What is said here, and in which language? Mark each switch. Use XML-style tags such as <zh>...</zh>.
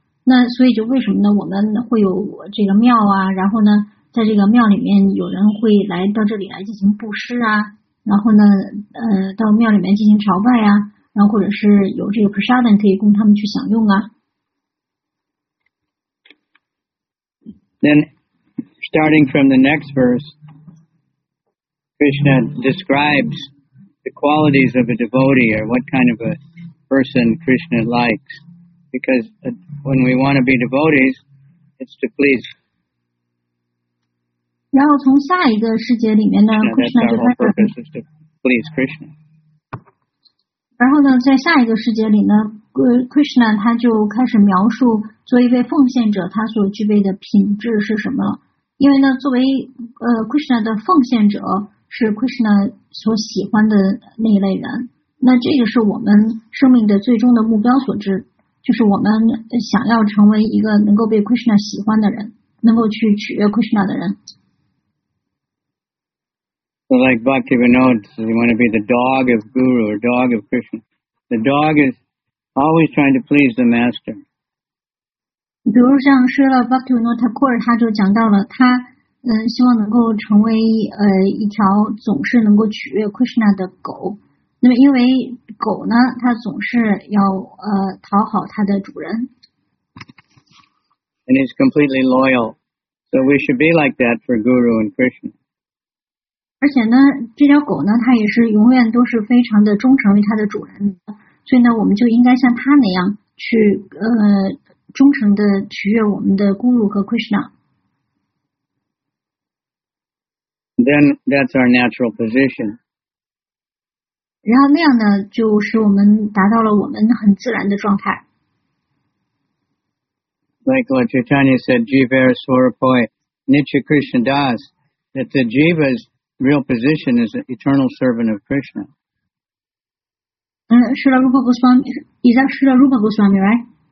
<zh>那所以就为什么呢？我们会有这个庙啊，然后呢，在这个庙里面有人会来到这里来进行布施啊，然后呢，到庙里面进行朝拜啊，然后或者是有这个 prasadam 可以供他们去享用啊。</zh> <en>Then, starting from the next verse, Krishna describes. The qualities of a devotee or what kind of a person Krishna likes. Because when we want to be devotees, it's to please.</en> <zh>然后从下一个世界里面呢 Krishna 就开始</zh> <en>That's our whole purpose is to please Krishna.</en> <zh>然后呢在下一个世界里呢 Krishna 他就开始描述作为一位奉献者他所具备的品质是什么因为呢作为Krishna 的奉献者是 Krishna 所喜欢的那一类人，那这个是我们生命的最终的目标所致，就是我们想要成为一个能够被 Krishna 喜欢的人，能够去取悦 Krishna 的人。</zh> <en>So like Bhaktivinoda, you want to be the dog of Guru or dog of Krishna. The dog is always trying to please the master.</en> <zh>比如像说了 Bhaktivinoda Kaur 他就讲到了他。希望能够成为一条总是能够取悦 Krishna 的狗。那么因为狗呢它总是要讨好它的主人。</zh> <en>And it's completely loyal. So we should be like that for Guru and Krishna.</en> <zh>而且呢这条狗呢它也是永远都是非常的忠诚于它的主人。所以呢我们就应该像它那样去忠诚的取悦我们的 Guru 和 Krishna。</zh> <en>Then that's our natural position.</en> <zh>然后那样呢，就是我们达到了我们很自然的状态。</zh> <en>Like what Chaitanya said, Jiva Swarupoi Nitya Krishna Das, that the Jiva's real position is an eternal servant of Krishna.</en> <zh>嗯，是的 ，Rupa Goswami， 你在是的 ，Rupa Goswami，</zh> <en>right？</en>